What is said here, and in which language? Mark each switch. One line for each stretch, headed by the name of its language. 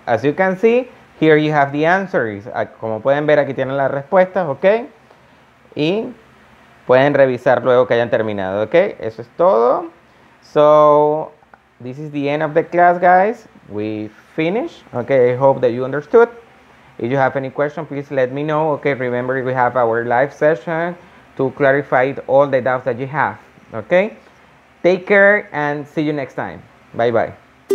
English: As you can see, here you have the answers.
Spanish: Como pueden ver, aquí tienen las respuestas, ¿ok? Y pueden revisar luego que hayan terminado, ¿ok? Eso es todo.
English: So, this is the end of the class, guys. We finish. Okay, I hope that you understood. If you have any question, please let me know. Okay, remember we have our live session to clarify all the doubts that you have. Okay, take care and see you next time. Bye bye.